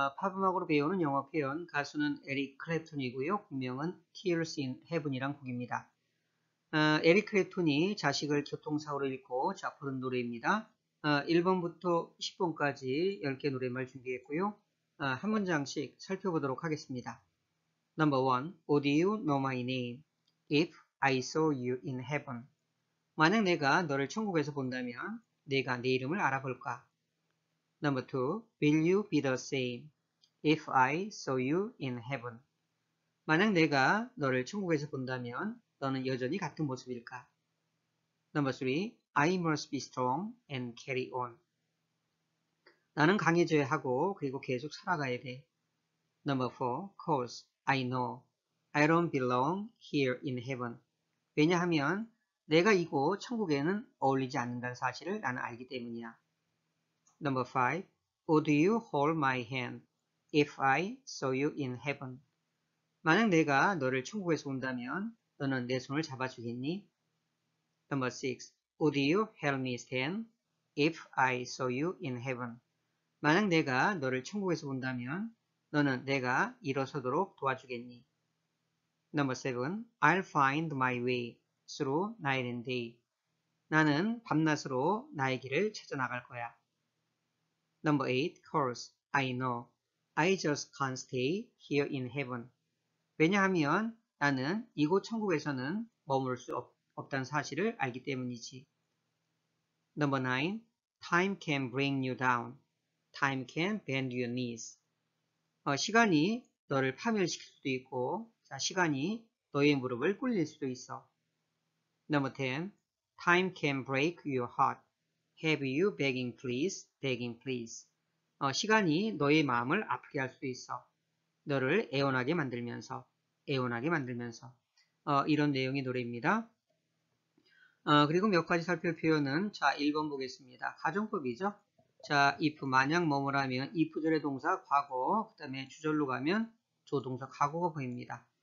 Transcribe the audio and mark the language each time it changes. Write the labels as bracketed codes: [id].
[ko] 팝음악으로 배우는 영어 표현, 가수는 에릭 클랩톤이고요. 국명은 Tears in Heaven이란 곡입니다. 에릭 클랩톤이 자식을 교통사고로 잃고 자포른 노래입니다. 1번부터 10번까지 10개 노랫말 준비했고요. 한 문장씩 살펴보도록 하겠습니다. [en] Number 1. Would you know my name if I saw you in heaven? [ko] 만약 내가 너를 천국에서 본다면 내가 네 이름을 알아볼까? [en] Number 2. Will you be the same if I saw you in heaven? [ko] 만약 내가 너를 천국에서 본다면 너는 여전히 같은 모습일까? [en] Number 3. I must be strong and carry on. [ko] 나는 강해져야 하고 그리고 계속 살아가야 돼. [en] Number 4. 'Cause I know I don't belong here in heaven. [ko] 왜냐하면 내가 이곳 천국에는 어울리지 않는다는 사실을 나는 알기 때문이야. [en] Number 5. Would you hold my hand if I saw you in heaven? [ko] 만약 내가 너를 천국에서 온다면 너는 내 손을 잡아주겠니? [en] Number 6. Would you help me stand if I saw you in heaven? [ko] 만약 내가 너를 천국에서 본다면 너는 내가 일어서도록 도와주겠니? [en] Number 7. I'll find my way through night and day. [ko] 나는 밤낮으로 나의 길을 찾아나갈 거야. [en] Number 8. 'Cause I know I just can't stay here in heaven. [ko] 왜냐하면 나는 이곳 천국에서는 머물 수 없다는 사실을 알기 때문이지. [en] Number 9. Time can bring you down. Time can bend your knees. [ko] 시간이 너를 파멸시킬 수도 있고, 시간이 너의 무릎을 꿇릴 수도 있어. [en] Number 10. Time can break your heart. Have you begging please, begging please. [ko] 시간이 너의 마음을 아프게 할 수도 있어. 너를 애원하게 만들면서, 애원하게 만들면서. 이런 내용의 노래입니다. 그리고 몇 가지 살펴볼 표현은, 자, 1번 보겠습니다. 가정법이죠? 자, if, 만약, 뭐뭐라면, if절의 동사, 과거, 그 다음에 주절로 가면, 조동사, 과거가 보입니다.